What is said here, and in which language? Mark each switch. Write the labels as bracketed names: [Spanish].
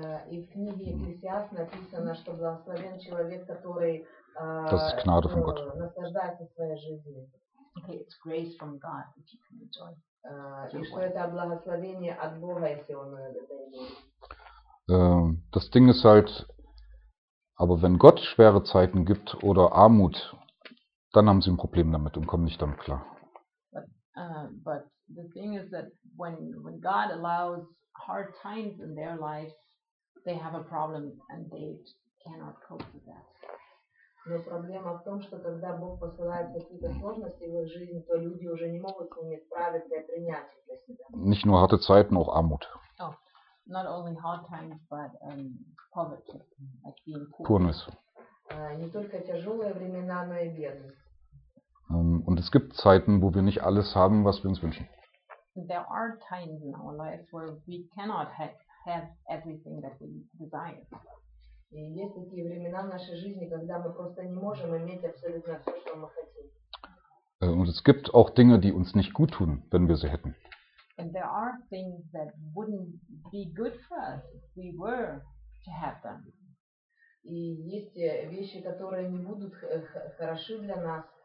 [Russian] И в книге Екклесиаст написано, что благословен человек, который [German] Das ist Gnade von Gott. [Russian] Наслаждается своей жизнью. [English] Okay, it's grace from God if you can enjoy. [Russian] И что это благословение от Бога, если он это имеет. [German] Das Ding ist halt, aber wenn Gott schwere Zeiten gibt oder Armut, dann haben sie ein Problem damit und kommen nicht damit klar. [English] But the thing is that when God allows hard times in their lives, they have a problem and they cannot cope with that. [Russian] Но проблема в том, что когда Бог посылает какие-то сложности в их жизни, то люди уже не могут с ними справиться и принять их для себя. [German] Nicht nur harte Zeiten, auch Armut. [English] Oh, not only hard times, but poverty, like being poor. Poorness. [Russian] Не только тяжелые времена, но и бедность. [German] Und es gibt Zeiten, wo wir nicht alles haben, was wir uns wünschen. [English] There are times in our lives where we cannot have everything that we desire. [Russian] И есть такие времена в нашей жизни, когда мы просто не можем иметь абсолютно все, что мы хотим. [German] Und es gibt auch Dinge, die uns nicht gut tun, wenn wir sie hätten. [English] And there are things that wouldn't be good for us if we were to have them. [Russian] И есть вещи, которые не будут хороши для нас.